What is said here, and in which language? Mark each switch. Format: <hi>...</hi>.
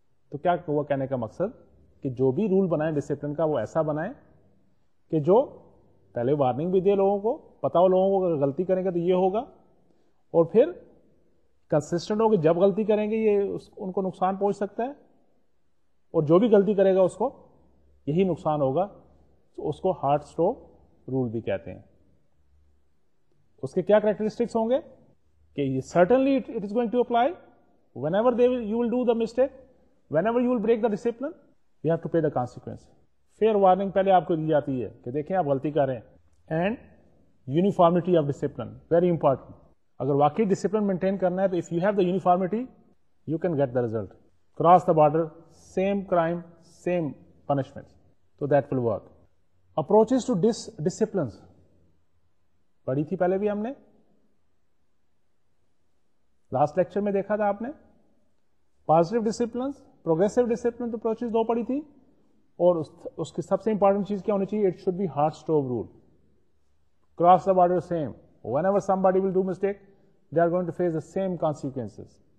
<ur>تو کیا ہوا کہنے کا مقصد, کہ جو بھی رول بنائیں ڈسپلن کا وہ ایسا بنائیں کہ جو پہلے وارننگ بھی دے لوگوں کو, پتا ہو لوگوں کو اگر غلطی کریں گے تو یہ ہوگا, اور پھر کنسسٹنٹ ہو کہ جب غلطی کریں گے یہ ان کو نقصان پہنچ سکتا ہے, اور جو بھی غلطی کرے گا اس کو یہی نقصان ہوگا. تو اس کو ہارڈ اسٹوو رول بھی کہتے ہیں. اس کے کیا کریکٹرسٹکس ہوں گے, کہ</ur> <en>Certainly it is going to apply whenever they you will do the mistake, whenever you will break the discipline you have to pay the consequence.</en> <ur>Fair warning پہلے آپ کو دی جاتی ہے کہ دیکھیں آپ غلطی کر رہے ہیں.</ur> <en>And uniformity of discipline, very important.</en> <ur>اگر واقعی ڈسپلن مینٹین کرنا ہے تو</ur> <en>If you have the uniformity you can get the result. Cross the border, same crime, same punishment, تو that will work.</en> <ur>Approaches to disciplines پڑھی تھی پہلے بھی ہم نے, لاسٹ لیکچر میں دیکھا تھا آپ نے. Positive disciplines, progressive discipline approaches دو پڑھی تھی, اور اس کی سب سے امپورٹنٹ چیز کیا ہونی چاہیے,</ur> <en>It should be hard stove rule. Cross the border same, whenever somebody will do mistake they are going to face the same consequences.</en>